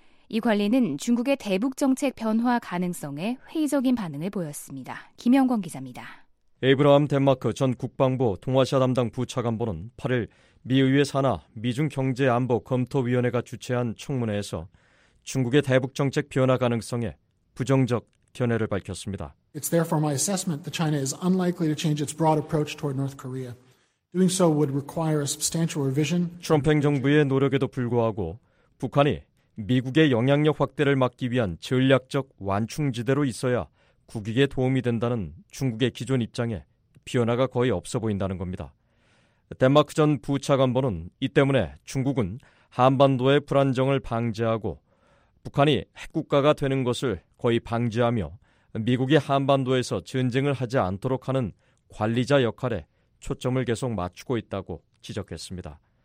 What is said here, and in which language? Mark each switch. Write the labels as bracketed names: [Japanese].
[Korean] 이 관리는 중국의 대북정책 변화 가능성에 회의적인 반응을 보였습니다. 김영권 기자입니다. 에이브라함 덴마크 전 국방부 동아시아 담당 부차관보는 8일 미의회 산하 미중경제안보검토위원회가 주최한 청문회에서 중국의 대북정책 변화 가능성에 부정적 견해를 밝혔습니다. [English] It's therefore my assessment that China is unlikely to change its broad approach toward North Korea. Doing so would require a substantial revision. [Korean] 트럼프 행정부의 노력에도 불구하고 북한이 미국의 영향력 확대를 막기 위한 전략적 완충지대로 있어야 국익에 도움이 된다는 중국의 기존 입장에 변화가 거의 없어 보인다는 겁니다. 덴마크 전 부차관보는 이 때문에 중국은 한반도의 불안정을 방지하고 북한이 핵국가가 되는 것을 거의 방지하며 미국이 한반도에서 전쟁을 하지 않도록 하는 관리자 역할에 초점을 계속 맞추고 있다고 지적했습니다.